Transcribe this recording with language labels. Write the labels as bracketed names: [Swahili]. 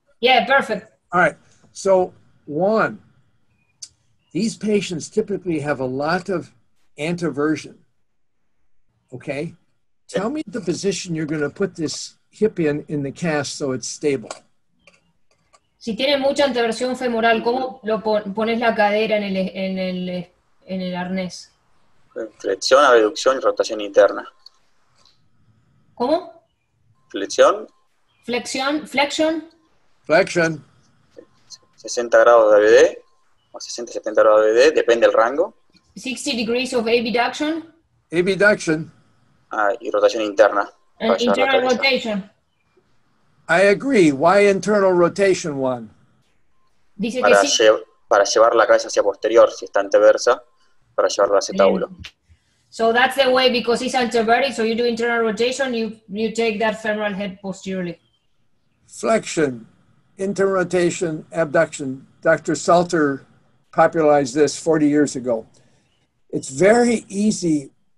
[English] Yeah, perfect. All right. So, one, these patients typically have a lot of antiversion. Okay, tell me the position you're going to put this hip in the cast so it's stable. [Spanish] Si tiene mucha anteversión femoral, ¿cómo lo pones la cadera en el arnés? Flexión, abducción y rotación interna. ¿Cómo? Flexión. Flexión, flexion. [English] Flexion. [Spanish] 60 grados de ABD o 60, 70 grados de ABD, depende del rango. [English] 60 degrees of abduction. Abduction. [Spanish] Y rotación interna. [English] Internal rotation. I agree. Why internal rotation, Juan? [Spanish] Dice para que sí. Para llevar la cabeza hacia posterior, si está anteversa, para llevarla hacia tabulo. [English] So that's the way, because it's anteversa, so you do internal rotation, you take that femoral head posteriorly. Flexion, internal rotation, abduction. Dr. Salter popularized this 40 years ago. It's very easy...